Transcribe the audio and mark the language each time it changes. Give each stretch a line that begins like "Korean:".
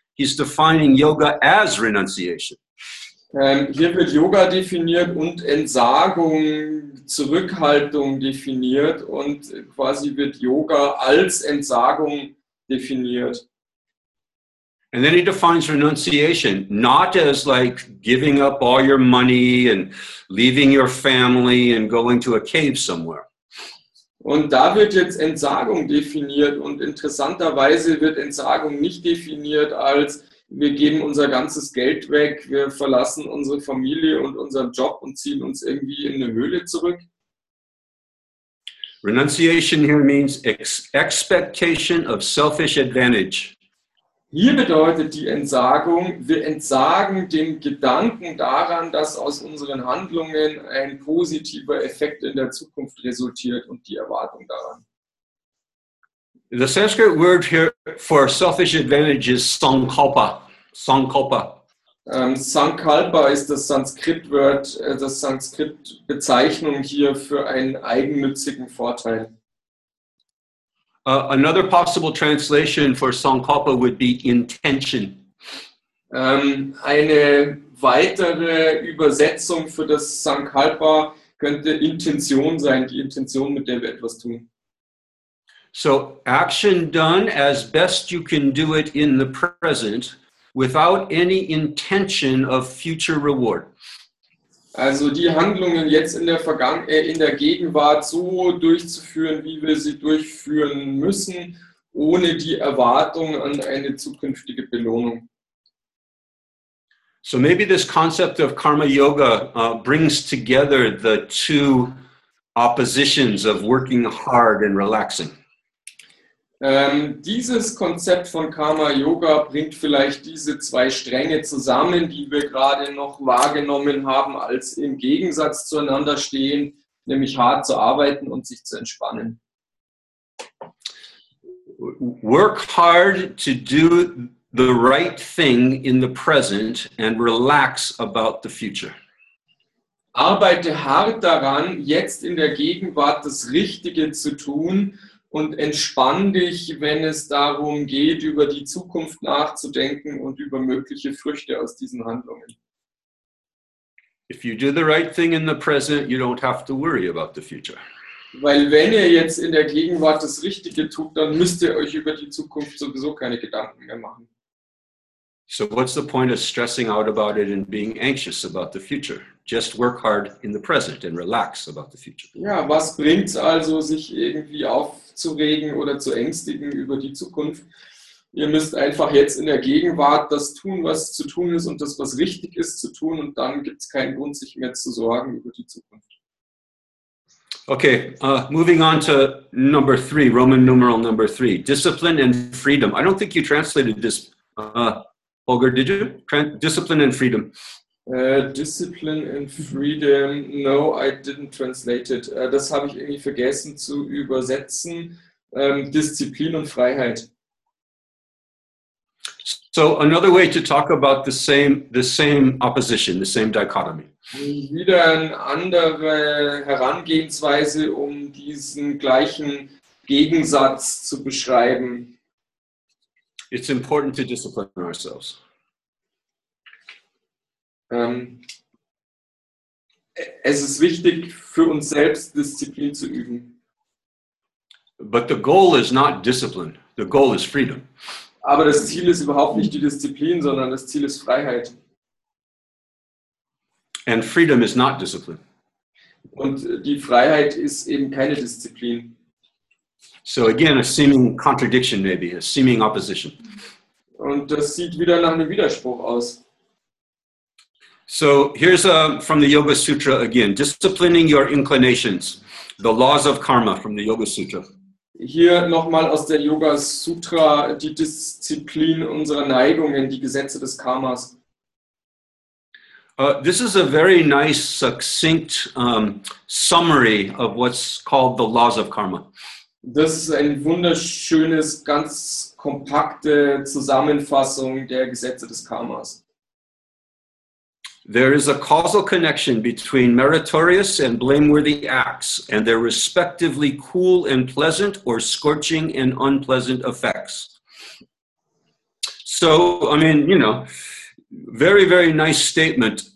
English: He's defining yoga as renunciation.
German: Hier wird Yoga definiert und Entsagung, Zurückhaltung definiert und quasi wird Yoga als Entsagung definiert.
English: And then he defines renunciation not as like giving up all your money and leaving your family and going to a cave somewhere.
German: Und da wird jetzt Entsagung definiert und interessanterweise wird Entsagung nicht definiert als wir geben unser ganzes Geld weg, wir verlassen unsere Familie und unseren Job und ziehen uns irgendwie in eine Höhle zurück.
English: Renunciation here means expectation of selfish advantage.
German: Hier bedeutet die Entsagung, wir entsagen dem Gedanken daran, dass aus unseren Handlungen ein positiver Effekt in der Zukunft resultiert und die Erwartung daran.
English: The Sanskrit word here for selfish advantage is sankalpa. Sankalpa.
German: Sankalpa ist das Sanskrit-Word, das Sanskrit-Bezeichnung hier für einen eigennützigen Vorteil.
English: Another possible translation for sankalpa would be intention.
German: Eine weitere Übersetzung für das Sankalpa könnte Intention sein, die Intention, mit der wir etwas tun.
English: So action done as best you can do it in the present without any intention of future reward.
German: Also die Handlungen jetzt in der Gegenwart so durchzuführen, wie wir sie durchführen müssen, ohne die Erwartung an eine zukünftige Belohnung.
English: So maybe this concept of Karma Yoga brings together the two oppositions of working hard and relaxing.
German: Dieses Konzept von Karma Yoga bringt vielleicht diese zwei Stränge zusammen, die wir gerade noch wahrgenommen haben, als im Gegensatz zueinander stehen, nämlich hart zu arbeiten und sich zu entspannen.
English: Work hard to do the right thing in the present and relax about the future.
German: Arbeite hart daran, jetzt in der Gegenwart das Richtige zu tun. Und entspann dich, wenn es darum geht, über die Zukunft nachzudenken und über mögliche Früchte aus diesen Handlungen.
English: If you do the right thing in the present, you don't have to worry about the future.
German: Weil wenn ihr jetzt in der Gegenwart das Richtige tut, dann müsst ihr euch über die Zukunft sowieso keine Gedanken mehr machen.
English: So what's the point of stressing out about it and being anxious about the future? Just work hard in the present and relax about the future.
German: Ja, was bringt's also, sich irgendwie aufzuregen oder zu ängstigen über die Zukunft? Ihr müsst einfach jetzt in der Gegenwart das tun, was zu tun ist und das, was richtig ist, zu tun. Und dann gibt's keinen Grund, sich mehr zu sorgen über die Zukunft.
English: Okay, moving on to number three, Roman numeral number three, discipline and freedom. I don't think you translated this, Holger, did you? Discipline and freedom. Discipline and freedom. No, I didn't translate it.
German: Das habe ich irgendwie vergessen zu übersetzen. Disziplin und Freiheit.
English: So another way to talk about the same opposition, the same dichotomy.
German: Wieder eine andere Herangehensweise, um diesen gleichen Gegensatz zu beschreiben.
English: It's important to discipline ourselves.
German: Es ist wichtig, für uns selbst Disziplin zu üben.
English: But the goal is not discipline. The goal is freedom.
German: Aber das Ziel ist überhaupt nicht die Disziplin, sondern das Ziel ist Freiheit.
English: And freedom is not discipline.
German: Und die Freiheit ist eben keine Disziplin.
English: So again, a seeming contradiction maybe, a seeming opposition.
German: Und das sieht wieder nach einem Widerspruch aus.
English: So here's from the Yoga Sutra again, disciplining your inclinations, the laws of karma from the Yoga Sutra.
German: Hier nochmal aus der Yoga Sutra, die Disziplin unserer Neigungen, die Gesetze des Karmas.
English: This is a very nice, succinct summary of what's called the laws of karma.
German: Das ist ein wunderschönes, ganz kompakte Zusammenfassung der Gesetze des Karmas.
English: There is a causal connection between meritorious and blameworthy acts and their respectively cool and pleasant or scorching and unpleasant effects. So, I mean, you know, very, very nice statement.